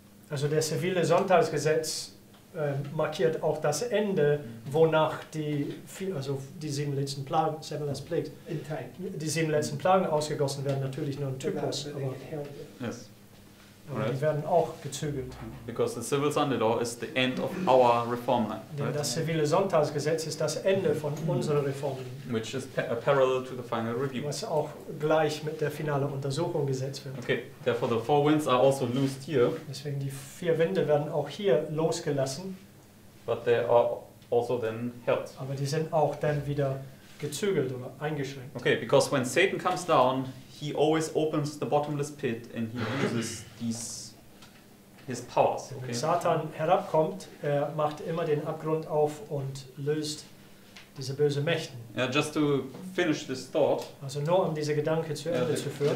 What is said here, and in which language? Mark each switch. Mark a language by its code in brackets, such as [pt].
[de] Also der zivile Sonntagsgesetz markiert auch das Ende, wonach die vier, also die sieben letzten Plagen, [en] seven last plagues, [de] die sieben letzten Plagen ausgegossen werden, natürlich nur ein Typus, aber, yes. Aber die werden auch gezügelt. [en] Because the civil Sunday law is the end of our reform line. [de] Denn das zivile Sonntagsgesetz ist das Ende von unserer Reform. [en] Which is parallel to the final review. [de] Was auch gleich mit der finalen Untersuchung gesetzt wird. [en] Okay, therefore the four winds are also loosed here. [de] Deswegen die vier Winde werden auch hier losgelassen. [en] But they are also then held. [de] Aber die sind auch dann wieder gezügelt oder eingeschränkt. [en] Okay, because when Satan comes down, he always opens the bottomless pit and he uses these his powers. Okay. [de] Wenn Satan herabkommt, er macht immer den Abgrund auf und löst diese böse Mächten. [en] Yeah, just to finish this thought. [de] Also nur um diese Gedanke zu Ende zu führen.